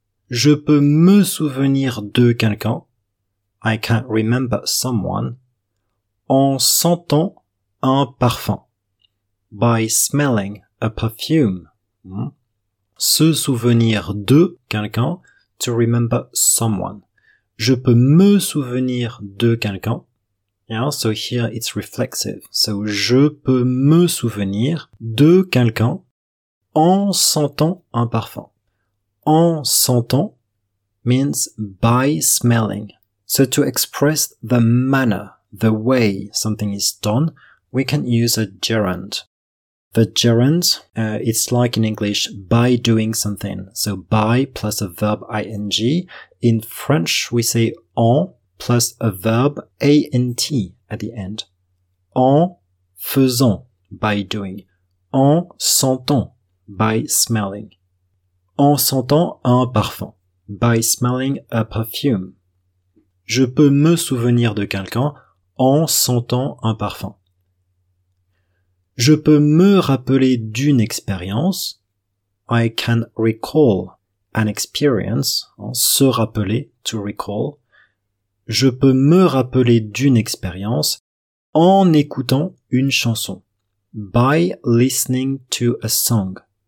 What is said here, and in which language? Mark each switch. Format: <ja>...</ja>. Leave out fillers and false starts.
<fr>Je peux me souvenir de quelqu'un,</fr> <en>I can remember someone,</en> <fr>en sentant un parfum,</fr> <en>by smelling a perfume.</en> <fr>Se souvenir de quelqu'un,</fr> <en>to remember someone.</en> <fr>Je peux me souvenir de quelqu'un.</fr> <en>Yeah, so here it's reflexive.</en> <fr>So je peux me souvenir de quelqu'un en sentant un parfum. En sentant</fr> <en>means by smelling. So to express the manner, the way something is done, we can use a gerund. The gerund, it's like in English, by doing something. So by plus a verb ing. In French, we say en plus a verb ant at the end.</en> <fr>En faisant,</fr> <en>by doing.</en> <fr>En sentant,</fr> <en>by smelling.</en> <fr>En sentant un parfum,</fr> <en>by smelling a perfume.</en> <fr>Je peux me souvenir de quelqu'un en sentant un parfum. Je peux me rappeler d'une expérience.</fr> <en>I can recall an experience.</en> <fr>Se rappeler,</fr> <en>to recall.</en> <fr>Je peux me rappeler d'une expérience en écoutant une chanson.</fr> <en>By listening to a song.</en>